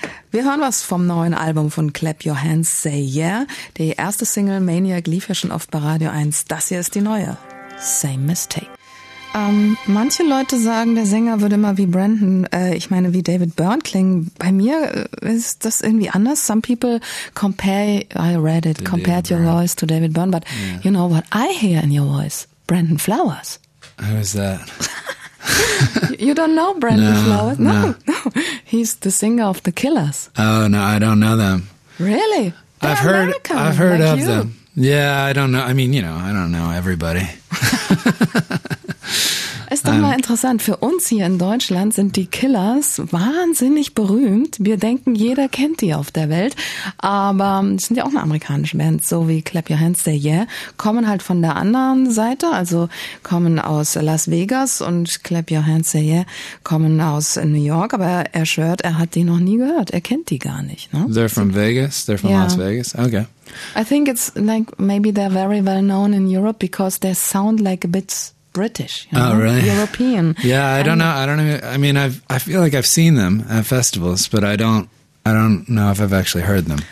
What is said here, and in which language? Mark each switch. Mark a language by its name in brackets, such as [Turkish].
[German] Wir hören was vom neuen Album von Clap Your Hands, Say Yeah. Die erste Single Maniac lief ja schon oft bei Radio 1. Das hier ist die neue. Same Mistake. Manche Leute sagen, der Sänger würde immer wie wie David Byrne klingen. Bei mir ist das irgendwie anders. [English] Some people compared your voice to David Byrne, but you know what I hear in your voice? Brandon Flowers. Who is that? You don't know Brandon Flowers? No. He's the singer of The Killers. Oh, no, I don't know them. Really? I've heard of them. Yeah, I don't know. I mean, you know, I don't know everybody. [German] Ist doch mal interessant. Für uns hier in Deutschland sind die Killers wahnsinnig berühmt. Wir denken, jeder kennt die auf der Welt. Aber es sind ja auch eine amerikanische Band, so wie Clap Your Hands, Say Yeah. Kommen halt von der anderen Seite, also kommen aus Las Vegas und Clap Your Hands, Say Yeah kommen aus New York. Aber er schwört, er hat die noch nie gehört. Er kennt die gar nicht. Ne? [English] They're from Vegas? They're from Las Vegas? Okay. I think it's like maybe they're very well known in Europe because they sound like a bit British, you know? Oh, really? European. Yeah, I don't know. I mean, I feel like I've seen them at festivals, but I don't know if I've actually heard them.